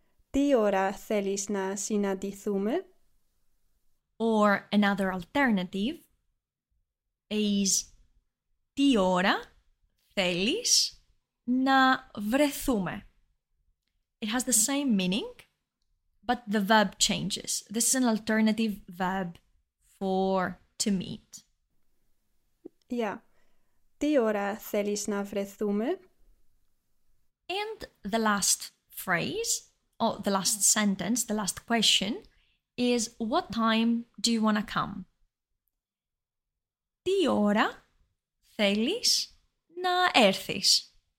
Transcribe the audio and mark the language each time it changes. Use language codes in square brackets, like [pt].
[el] Τι ώρα θέλεις να συναντηθούμε? [en] Or another alternative is, [el] τι ώρα θέλεις να βρεθούμε? [en] It has the same meaning, but the verb changes. This is an alternative verb for to meet. Yeah. [el] Τι ώρα θέλεις να βρεθούμε? [en] And the last phrase, or the last sentence, the last question, is what time do you want to come? [el] Τι ώρα θέλεις να έρθεις?